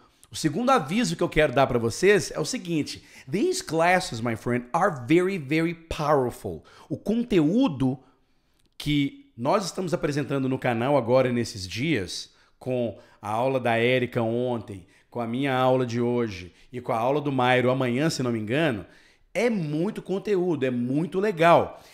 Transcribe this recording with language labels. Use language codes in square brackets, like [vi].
[pt] O segundo aviso que eu quero dar para vocês é o seguinte. [en] These classes, my friend, are very, very powerful. [pt] O conteúdo que nós estamos apresentando no canal agora nesses dias, com a aula da Erika ontem, com a minha aula de hoje e com a aula do Mairo amanhã, se não me engano, é muito conteúdo, é muito legal.